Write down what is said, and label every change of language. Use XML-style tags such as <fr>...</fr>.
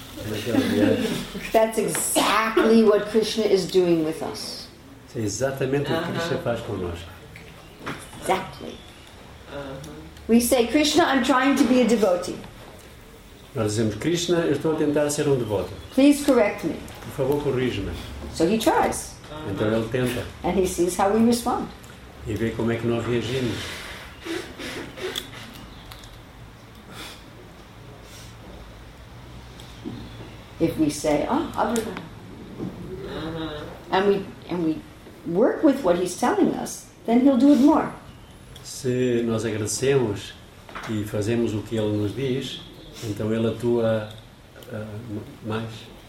<en>That's exactly what Krishna is doing with us.</en> <pt>É exatamente o que Krishna faz conosco.</pt> <en>Exactly. We say, Krishna, I'm trying to be a devotee.</en> <pt>Nós dizemos, Krishna, eu estou a tentar ser devoto.</pt> <en>Please correct me.</en> <pt>Por favor, corrija-me.</pt> <en>So he tries.</en> <pt>Então ele tenta.</pt> <en>And he sees how we respond.</en> <pt>E vê como é que nós reagimos.</pt> <en>If we say, oh, other than, uh-huh. and we work with what he's telling us, then he'll do it more.</en> <pt>Se nós agradecemos e fazemos o que ele nos diz, então ele atua mais.</pt>